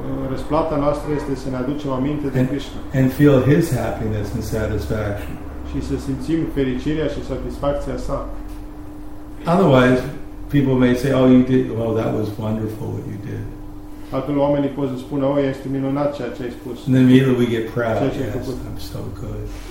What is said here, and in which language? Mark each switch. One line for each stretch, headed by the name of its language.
Romanian: Răsplata noastră este să ne aducem aminte de Krishna.
English: And feel his happiness and satisfaction.
Romanian: Și să simțim fericirea și satisfacția sa.
English: Otherwise, people may say, oh, you did, well, that was wonderful what you did.
Romanian: Atunci oamenii pot să spună, oh, este minunat ceea ce ai spus.
English: And immediately we get proud, yes, I'm so good.